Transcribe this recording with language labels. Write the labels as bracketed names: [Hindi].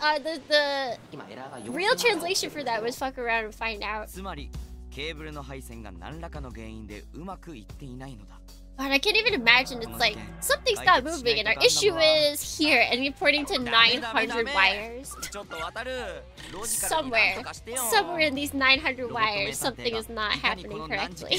[English] The real translation for that was fuck around and find out. [Japanese] つまりケーブルの配線が何らかの原因でうまくいっていないのだ。 [English] But I can't even imagine. It's like something's not moving, and our issue is here, and you're pointing to 900 wires. somewhere in these 900 wires, something is not happening correctly.